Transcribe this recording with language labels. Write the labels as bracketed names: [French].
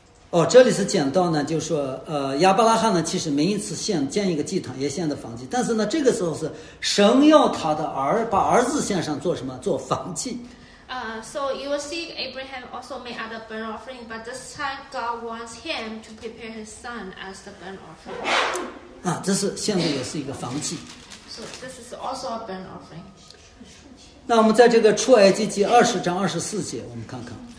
[Chinese] 哦，这里是讲到呢，就是说，亚伯拉罕呢，其实每一次建一个祭坛，也献的燔祭，但是呢，这个时候是神要他的儿把儿子献上做什么？做燔祭。 [English] So you will see Abraham also made other burnt offering, but this time God wants him to prepare his son as the burnt offering. [Chinese] 啊，这是献的也是一个燔祭。 [English] So this is also a burnt offering. [Chinese] 那我们在这个出埃及记二十章二十四节，我们看看。